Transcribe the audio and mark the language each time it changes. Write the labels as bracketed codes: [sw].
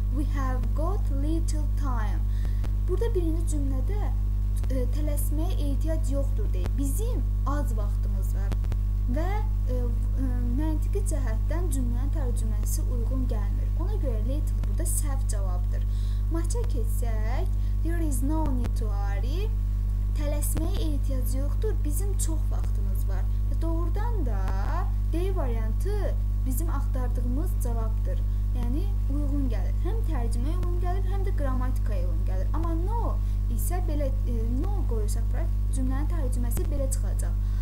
[en] We have got little time. [az] Burada birinci cümlədə tələsməyə ehtiyac yoxdur deyir. Bizim az vaxtımız var. Və məntiqi cəhətdən cümlənin tərcüməsi uyğun gəlmir. Ona görə little burada səhv cavabdır. Maça keçsək, [en] there is no need to hurry. [az] Tələsməyə ehtiyac yoxdur. Bizim çox vaxtımız var. Doğrudan da D variantı bizim axtardığımız cavabdır. Yəni, uyğun gəlir. Həm tərcümə uyğun gəlir, həm də qramatikaya uyğun gəlir. Amma no isə belə, no qoyursaq, cümlənin tərcüməsi belə çıxacaq.